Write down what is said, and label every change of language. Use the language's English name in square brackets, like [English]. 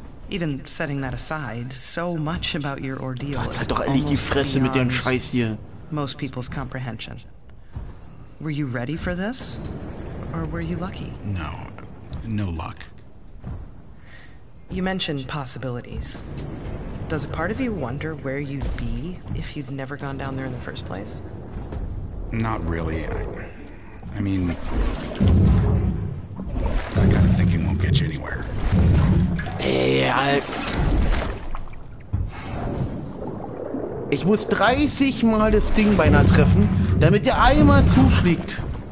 [English] Even setting that aside, so much about your ordeal. [German] Halt doch endlich die Fresse mit dem Scheiß hier. [English] Most people's comprehension. Were you ready for this? Or were you lucky? No, no luck. You mentioned possibilities. Does a part of you wonder where you'd be if you'd never gone down there in the first place? Not really. I mean, that kind of thinking won't get you anywhere. [German] Hey, ich muss 30 Mal das Ding beinahe treffen, damit der einmal zuschlägt.